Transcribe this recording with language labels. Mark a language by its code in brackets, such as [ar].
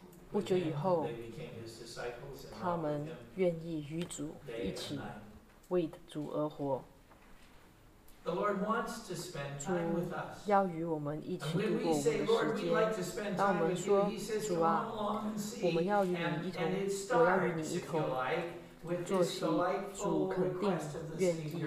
[zh] 不久以后，他们愿意与主一起为主而活。 [en] The Lord wants to spend time with us. [zh] 主要与我们一起度过我们的时间。当我们说主啊，我们要与你一同，我要与你一同坐席，主肯定愿意。